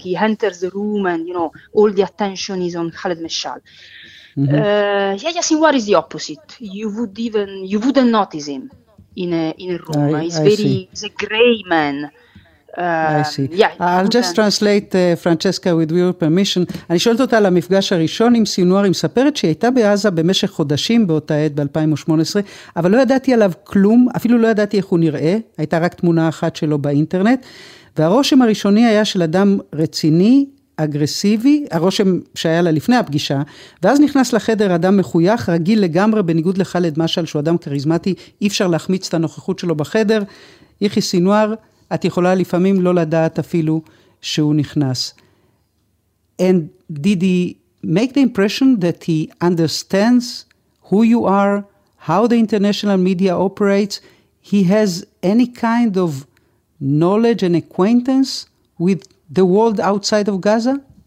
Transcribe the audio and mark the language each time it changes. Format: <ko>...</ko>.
<en>He enters the room and, you know, all the attention is on Khaled Meshal. Yeah, Sinwar is the opposite. You wouldn't notice him in a room. He's a gray man. I see. Yeah, I'll just translate Francesca with your permission.</en> <he>אני שואלת אותה על המפגש הראשון עם סינואר, היא מספרת שהיא הייתה בעזה במשך חודשים באותה עת ב-2018, אבל לא ידעתי עליו כלום, אפילו לא ידעתי איך הוא נראה, הייתה רק תמונה אחת שלו באינטרנט, והרושם הראשוני היה של אדם רציני, אגרסיבי, הרושם שהיה לה לפני הפגישה, ואז נכנס לחדר אדם מחוייך, רגיל לגמרי, בניגוד לחלד משל, שהוא אדם קריזמטי, אי אפשר להחמיץ את הנוכחות שלו בחדר. יחיא סינואר, את יכולה לפעמים לא לדעת אפילו שהוא נכנס.</he> <en>And did he make the impression that he understands who you are, how the international media operates? He has any kind of knowledge and acquaintance with the world outside of Gaza?</en>